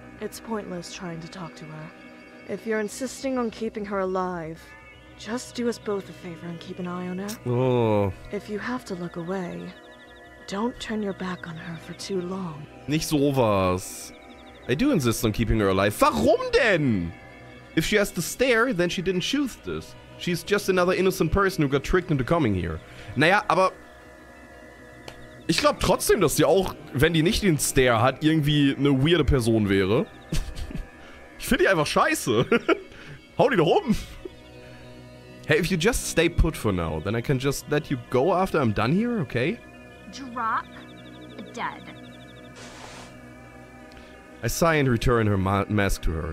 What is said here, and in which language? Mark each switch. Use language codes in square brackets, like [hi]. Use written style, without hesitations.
[en] It's pointless trying to talk to her. If you're insisting on keeping her alive, just do us both a favor and keep an eye on her. Oh. If you have to look away, don't turn your back on her for too long. [de] Nicht sowas. [en] I do insist on keeping her alive. [de] Warum denn? [en] If she has to stare, then she didn't choose this. She's just another innocent person who got tricked into coming here. [de] Naja, aber ich glaube trotzdem, dass sie auch, wenn die nicht den Stare hat, irgendwie eine weirde Person wäre. Ich finde die einfach scheiße. Hau die doch um. [en] Hey, if you just stay put for now, then I can just let you go after I'm done here, okay? Drop dead. I sigh and return her mask to her.